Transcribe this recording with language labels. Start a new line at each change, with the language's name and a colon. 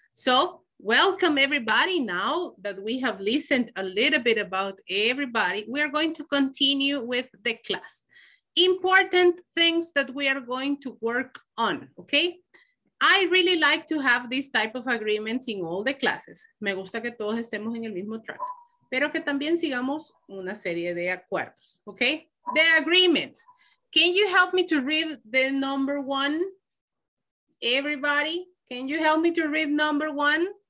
English: So, welcome everybody. Now that we have listened a little bit about everybody, we are going to continue with the class. Important things that we are going to work on, okay? I really like to have these type of agreements in all the classes.
Spanish: Me gusta que todos estemos en el mismo track, pero que también sigamos una serie de acuerdos, okay?
English: The agreements. Can you help me to read the number one? Everybody, can you help me to read number one?